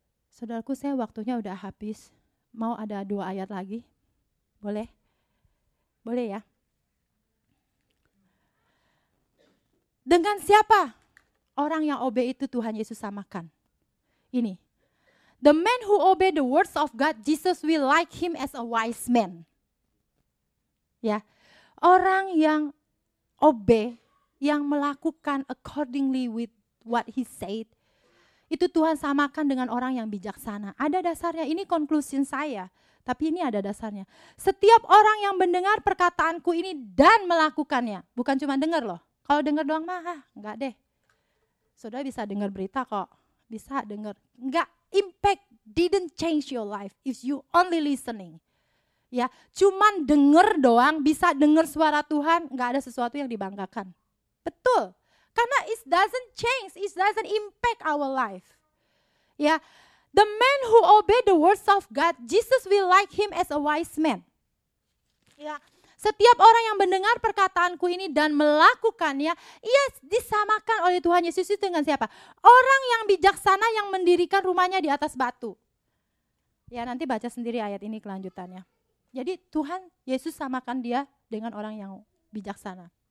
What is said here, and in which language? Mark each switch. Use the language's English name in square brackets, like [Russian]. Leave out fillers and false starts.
[Indonesian] Saudaraku, saya waktunya udah habis. Mau ada dua ayat lagi? Boleh? Boleh ya? Dengan siapa orang yang obey itu Tuhan Yesus samakan? Ini. [English] The man who obey the words of God, Jesus will like him as a wise man. [Indonesian] Ya. Orang yang obey, yang melakukan [English] accordingly with what he said, [Indonesian] itu Tuhan samakan dengan orang yang bijaksana. Ada dasarnya, ini conclusion saya, tapi ini ada dasarnya. Setiap orang yang mendengar perkataanku ini dan melakukannya, bukan cuma dengar loh, kalau dengar doang mah, enggak deh. Saudara bisa dengar berita kok, bisa dengar. Enggak, [English] impact didn't change your life if you only listening. [Indonesian] Ya, cuma dengar doang, bisa dengar suara Tuhan, enggak ada sesuatu yang dibanggakan. Betul. Karena [English] it doesn't change, it doesn't impact our life. Yeah. The man who obey the words of God, Jesus will like him as a wise man. Yeah. [Indonesian] Setiap orang yang mendengar perkataanku ini dan melakukannya, ia disamakan oleh Tuhan Yesus itu dengan siapa? Orang yang bijaksana yang mendirikan rumahnya di atas batu. Ya, nanti baca sendiri ayat ini kelanjutannya. Jadi Tuhan Yesus samakan dia dengan orang yang bijaksana.